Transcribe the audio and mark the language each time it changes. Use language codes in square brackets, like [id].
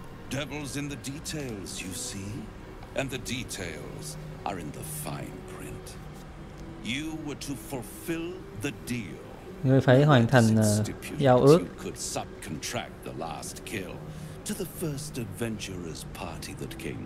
[en] Devils in the details, you see, and the details are in the fine print. You were to fulfill the deal. [vi] Ngươi phải hoàn thành giao ước. [en] Could subcontract the last kill to the first adventurer's party that came.